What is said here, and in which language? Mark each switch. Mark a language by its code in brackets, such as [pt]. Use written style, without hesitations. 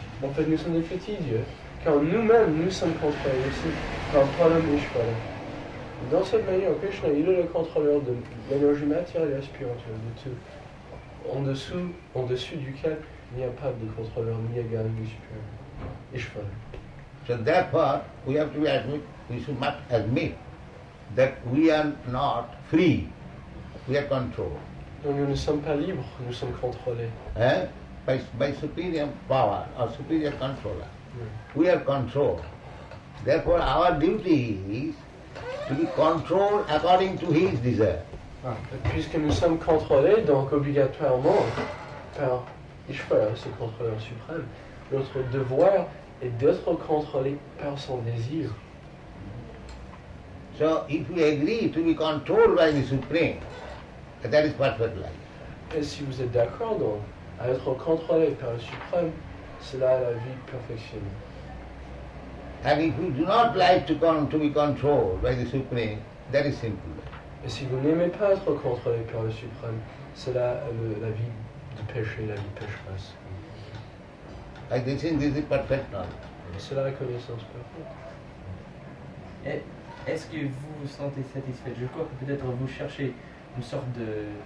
[fr] En fait, nous sommes des petits dieux, car nous-mêmes, nous sommes contrôlés aussi par Parameshvara. Dans cette manière, Krishna, il est le contrôleur de l'énergie matérielle et spirituelle, de tout. En dessous duquel il n'y a pas de contrôleur ni égal ni supérieur. Ishvara. [en] So therefore, we have to admit, we should not admit that we are not free. We are controlled. [fr] Donc nous ne sommes pas libres, nous sommes contrôlés. [en] Hein? By superior power or superior controller. Yeah. We are controlled. Therefore, our duty is to be controlled according to his desire. Ah. [fr] Puisque nous sommes contrôlés, donc obligatoirement, par Ishvara, ce contrôleur suprême, notre devoir est d'être contrôlé par son désir. [en] So, if we agree to be controlled by the Supreme, that is perfect life. [fr] Et si vous êtes d'accord, donc, à être contrôlé par le Supreme, cela est la vie perfectionnée. [en] And if you do not like to be controlled by the Supreme, that is simple. [fr] Et si vous n'aimez pas être contrôlé par le Supreme, cela est la vie du péché, la vie pécheresse. [en] Like this, this is perfect now. [fr] C'est la reconnaissance parfaite. Et est-ce que vous vous sentez satisfait? Je crois que peut-être vous cherchez une sorte de